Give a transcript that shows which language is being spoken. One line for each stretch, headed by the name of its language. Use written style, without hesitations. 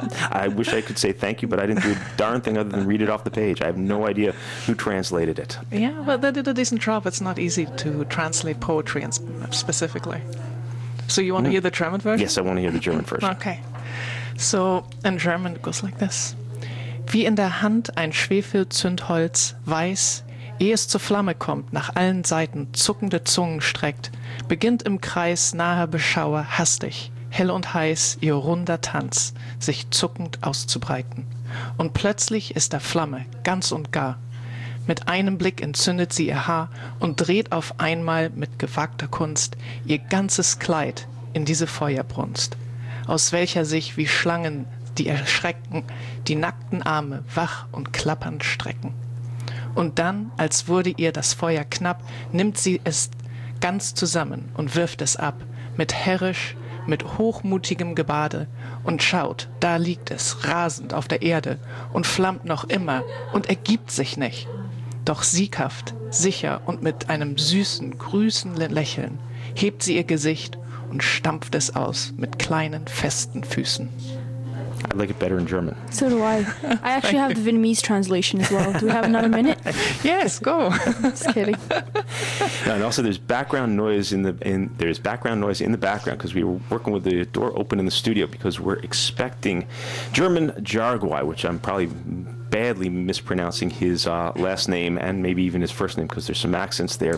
English: I wish I could say thank you, but I didn't do a darn thing other than read it off the page. I have no idea who translated it. Yeah, well, they did a decent job. It's not easy to translate poetry specifically. So you want to hear the German version? Yes, I want to hear the German version. Okay. So in German, it goes like this.
German: Wie in der Hand ein Schwefelzündholz weiß, ehe es zur Flamme kommt, nach allen Seiten zuckende Zungen streckt, beginnt im Kreis naher Beschauer hastig, hell und heiß, ihr runder Tanz, sich zuckend auszubreiten. Und plötzlich ist der Flamme ganz und gar. Mit einem Blick entzündet sie ihr Haar und dreht auf einmal mit gewagter Kunst ihr ganzes Kleid in diese Feuerbrunst, aus welcher sich wie Schlangen die erschrecken, die nackten Arme wach und klappernd strecken. Und dann, als wurde ihr das Feuer knapp, nimmt sie es ganz zusammen und wirft es ab, mit herrisch, mit hochmutigem Gebade, und schaut, da liegt es rasend auf der Erde und flammt noch immer und ergibt sich nicht. Doch sieghaft, sicher und mit einem süßen, grüßenden Lächeln hebt sie ihr Gesicht und stampft es aus mit kleinen, festen Füßen.
English: I like it better in German. So do I. I actually have the Vietnamese translation as well. Do we have another minute? Yes, go. Just kidding. No, and also, there's background noise in the background because we were working with the door open in the studio because we're expecting German Jarguy, which I'm probably badly mispronouncing his last name and maybe even his first name because there's some accents there.